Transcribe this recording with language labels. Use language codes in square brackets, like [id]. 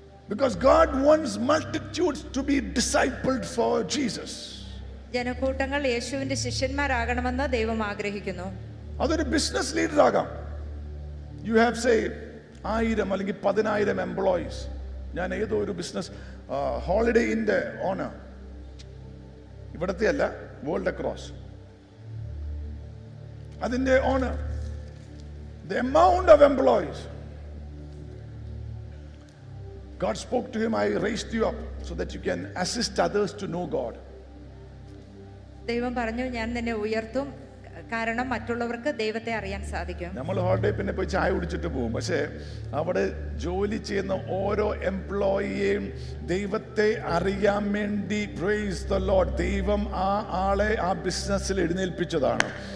[en] Because God wants multitudes to be discipled for Jesus. [ml] ജനക്കൂട്ടങ്ങൾ യേശുവിന്റെ ശിഷ്യന്മാരാകണമെന്ന് ദൈവം ആഗ്രഹിക്കുന്നു. അതൊരു ബിസിനസ് ലീഡർ ആകാം. [en] You have say 1000 [ml] അല്ലെങ്കിൽ 10,000 employees. ഞാൻ ഏതോ ഒരു ബിസിനസ് ഹോളിഡേ ഇൻ്റെ ഓണർ, ഇവിടത്തെ അല്ല [en] world across, [ml] അതിൻ്റെ owner, [en] the amount of employees. God spoke to him, I raised you up so that you can assist others to know God. [ml] ദൈവം പറഞ്ഞു, ഞാൻ നിന്നെ ഉയർത്തും, കാരണം മറ്റുള്ളവർക്ക് ദൈവത്തെ അറിയാൻ സാധിക്കും. നമ്മൾ ഹോളിഡേ പിന്നെ പോയി ചായ കുടിച്ചിട്ട് പോകും, പക്ഷേ അവിടെ ജോലി ചെയ്യുന്ന ഓരോ എംപ്ലോയിയെയും ദൈവത്തെ അറിയാൻ വേണ്ടി [en] praise the Lord, [ml] ദൈവം ആ ആളെ ആ ബിസിനസ്സിൽ എഴുന്നേൽപ്പിച്ചതാണ്.